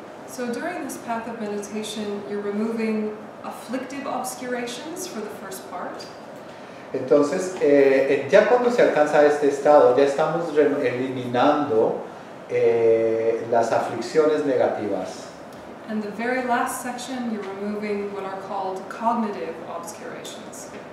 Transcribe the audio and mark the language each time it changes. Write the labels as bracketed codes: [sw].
[en] So during this path of meditation, you're removing afflictive obscurations for the first part. [es] Entonces, ya cuando se alcanza este estado, ya estamos eliminando las aflicciones negativas. [en] And the very last section, you're removing what are called cognitive obscurations.